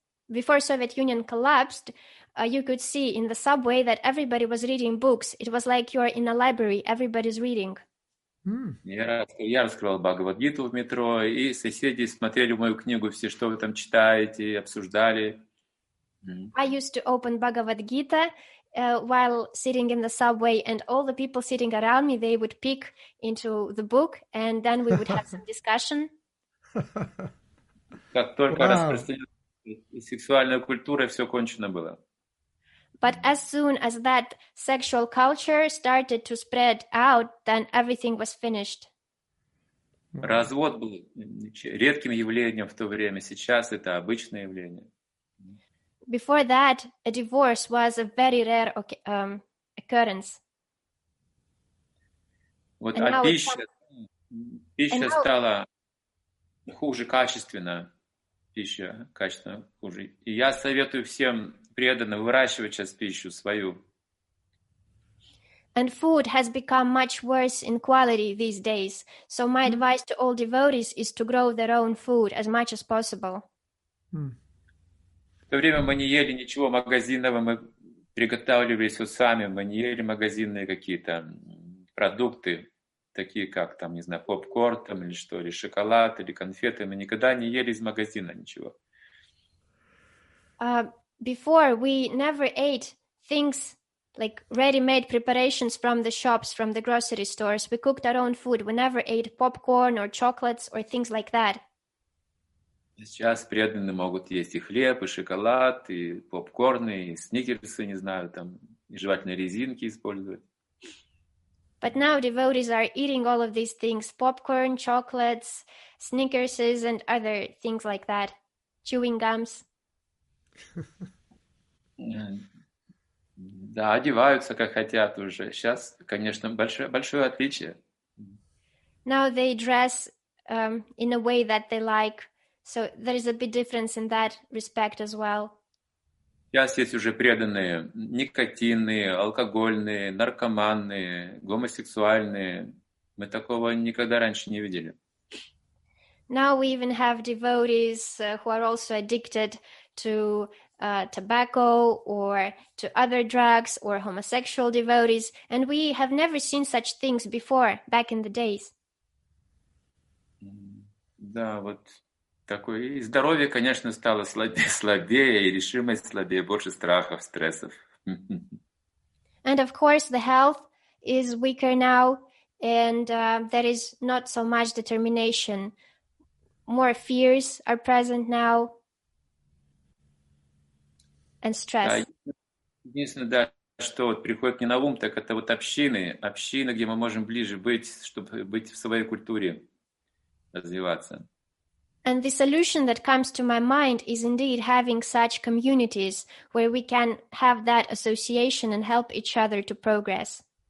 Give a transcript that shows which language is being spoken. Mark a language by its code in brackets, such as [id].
[en] Before Soviet Union collapsed, you could see in the subway that everybody was reading books. It was like you're in a library, everybody's reading. [ru] Я раскрывал Бхагавад-гиту в метро, и соседи смотрели мою книгу, все, что вы там читаете, обсуждали. [en] I used to open Bhagavad-gita while sitting in the subway, and all the people sitting around me, they would peek into the book, and then we would have some discussion. [ru] Как только распространилась сексуальная культура, все кончено было. [en] But as soon as that sexual culture started to spread out, then everything was finished. [ru] Развод был редким явлением в то время. Сейчас это обычное явление. [en] Before that, a divorce was a very rare occurrence. [ru] Вот, а пища стала хуже качественно. пища качественно хуже. И я советую всем преданным выращивать сейчас пищу свою. [en] And food has become much worse in quality these days. So my advice to all devotees is to grow their own food as much as possible. [ru] В то время мы не ели ничего магазинного, мы приготавливали все сами, мы не ели магазинные какие-то продукты, такие как там, не знаю, попкорн там или что, или шоколад, или конфеты, мы никогда не ели из магазина ничего. [en] Before we never ate things like ready-made preparations from the shops, from the grocery stores. We cooked our own food. We never ate popcorn or chocolates or things like that. [ru] Сейчас преданные могут есть и хлеб, и шоколад, и попкорны, и сникерсы, не знаю, там, и жевательные резинки использовать. [en] But now devotees are eating all of these things, popcorn, chocolates, sneakers and other things like that, chewing gums. [ru] Да, одеваются, как хотят уже. Сейчас, конечно, большое отличие. [en] Now they dress in a way that they like. So there is a big difference in that respect as well. [ru] Сейчас есть уже преданные никотинные, алкогольные, наркоманные, гомосексуальные. Мы такого никогда раньше не видели. [en] Now we even have devotees who are also addicted to tobacco or to other drugs or homosexual devotees. And we have never seen such things before, back in the days. [ru] Да, вот. Такое и здоровье, конечно, стало слабее, и решимость слабее, больше страхов, стрессов. [en] And of course, the health is weaker now, and there is not so much determination. More fears are present now, and stress. [ru] Единственное, да, что вот приходит мне на ум, так это вот общины, где мы можем ближе быть, чтобы быть в своей культуре, развиваться. [en] And the solution that comes to my mind is indeed having such communities where we can have that association and help each other to progress.